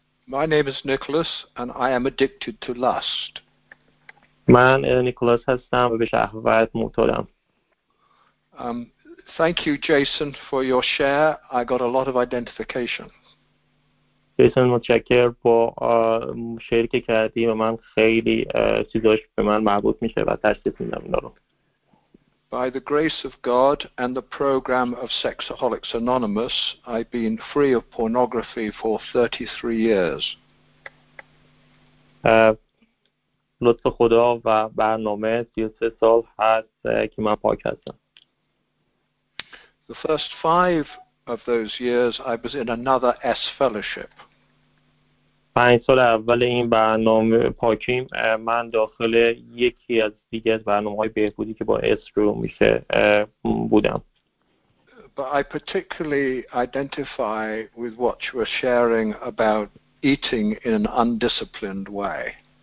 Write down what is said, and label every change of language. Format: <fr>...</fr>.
<en>My name is Nicholas, and I am addicted to lust.</en> <fa>من نیکولاس هستم و به شهوت معتادم.</fa> <en>Thank you, Jason, for your share. I got a lot of identification.</en> <fa>جیسون متشکر با شعری که کردی و من خیلی چیزاش به من مربوط میشه و تشخیص میدم این دارم.</fa> <en>By the grace of God and the program of Sexaholics Anonymous, I've been free of pornography for 33 years.</en> <fa>لطف خدا و برنامه 33 سال هست که من پاک هستم.</fa> <en>The first five of those years I was in another S fellowship.</en> <fa>5 سال اول این برنامه پاکیم من داخل یکی از دیگه از برنامه‌های بهبودی که با S رو میشه بودم.</fa> <en>But I particularly identify with what you were sharing about eating in an undisciplined way.</en>